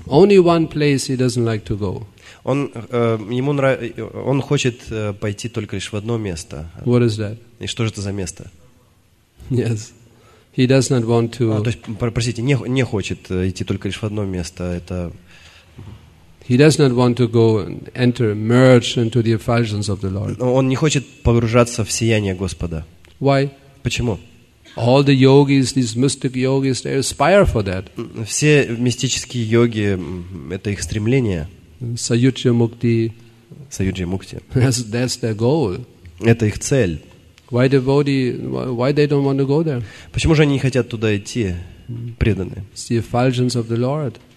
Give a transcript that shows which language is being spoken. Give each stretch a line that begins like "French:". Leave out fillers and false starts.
Russian: Он хочет пойти только лишь в одно место.
English: What is that?
Russian: И что же это за место?
English: Yes. He does not want to...
Russian: То есть, простите, не хочет идти только лишь в одно место. Это...
English: He does not want to go and enter, merge into the effulgence of the Lord.
Russian: Он не хочет погружаться в сияние Господа.
English: Why?
Russian: Почему?
English: All the yogis, these mystic yogis, they aspire for that.
Russian: Все мистические йоги, это их стремление. Саюджья мукти. Саюджья мукти.
English: That's their goal.
Russian: Это их цель.
English: Why devotee? Why they don't want to go there?
Russian: Почему же они не хотят туда идти, преданные?
English: It's the effulgence of the Lord.